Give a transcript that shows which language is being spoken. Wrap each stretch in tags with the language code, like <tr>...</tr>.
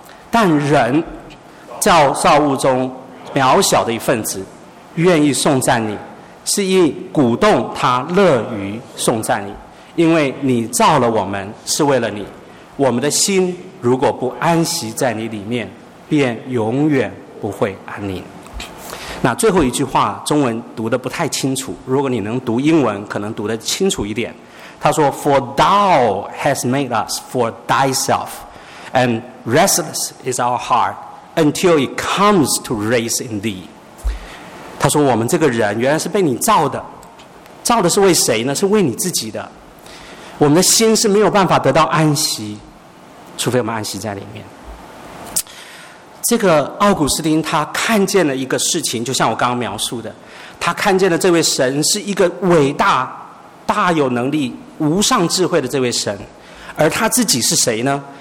<zh>但人造造物中渺小的一份子，愿意颂赞你，是因鼓动他乐于颂赞你，因为你造了我们是为了你。我们的心如果不安息在你里面，便永远不会安宁。那最后一句话中文读得不太清楚，如果你能读英文可能读得清楚一点。他说</zh> <en>For thou hast made us for thyself, and restless is our heart until it comes to rest in thee.</en> <zh>他说我们这个人原来是被你造的，造的是为谁呢？是为你自己的。我们的心是没有办法得到安息，除非我们安息在里面。这个奥古斯丁他看见了一个事情，就像我刚刚描述的，他看见了这位神是一个伟大、大有能力、无上智慧的这位神，而他自己是谁呢？</zh>